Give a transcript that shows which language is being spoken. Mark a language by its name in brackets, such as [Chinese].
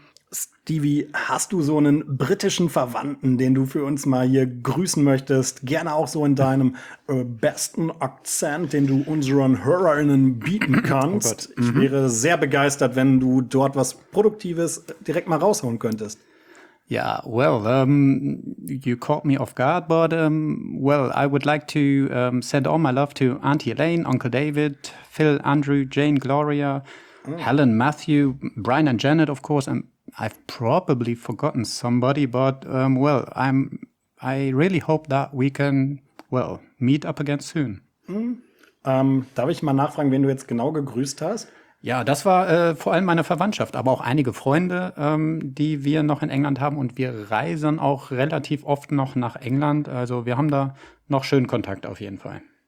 [German] Stevie, hast du so einen britischen Verwandten, den du für uns mal hier grüßen möchtest? Gerne auch so in deinem besten Akzent, den du unseren HörerInnen bieten kannst. Oh Gott. Ich wäre sehr begeistert, wenn du dort was Produktives direkt mal rausholen könntest. [English] Ja, well, you caught me off guard, but I would like to send all my love to Auntie Elaine, Uncle David, Phil, Andrew, Jane, Gloria, Helen, Matthew, Brian and Janet, of course, and I've probably forgotten somebody, but I really hope that we can meet up again soon. [German] Darf ich mal nachfragen, wen du jetzt genau gegrüßt hast? Ja, das war vor allem meine Verwandtschaft, aber auch einige Freunde, die wir noch in England haben und wir reisen auch relativ oft noch nach England. Also wir haben da noch schönen Kontakt auf jeden Fall.